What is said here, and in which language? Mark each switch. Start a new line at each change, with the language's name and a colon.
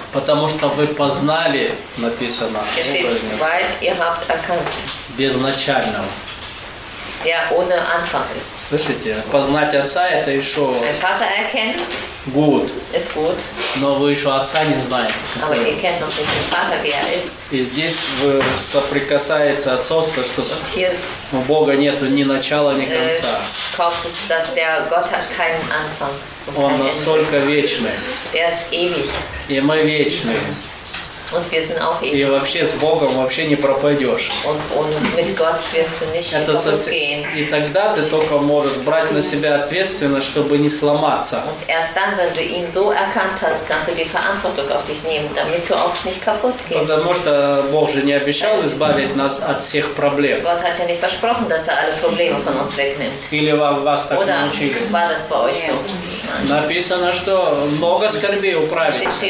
Russian: Потому что вы познали, написано.
German: Weil ihr habt erkannt.
Russian: Без начального.
German: Der ohne Anfang ist.
Russian: Слышите, познать отца – это еще...
German: Ein Vater erkennen? Gut. Ist gut.
Russian: Но вы еще отца не знаете.
German: Aber ihr kennt noch nicht den Vater, wie er ist.
Russian: И здесь соприкасается отцовство, что у Бога нет ни начала, ни конца.
German: Kommt es, dass der Gott hat keinen Anfang.
Russian: Он настолько вечный.
German: Er ist ewig.
Russian: И мы вечны.
German: Und wir sind auch
Russian: и вообще с Богом вообще не пропадешь.
German: Und mit Gott wirst du nicht
Russian: это
German: gehen.
Russian: И тогда ты только можешь брать на себя ответственность, чтобы не сломаться.
German: Und erst dann, wenn du ihn so erkannt hast, kannst du die Verantwortung auf dich nehmen, damit du auch nicht kaputt gehst.
Russian: Потому что Бог же не обещал избавить нас от всех проблем.
German: Gott hat ja nicht versprochen, dass er alle Probleme von uns wegnimmt.
Russian: Или вас так
German: oder
Russian: научили.
German: War das bei euch so?
Russian: Написано, что много скорбей управить.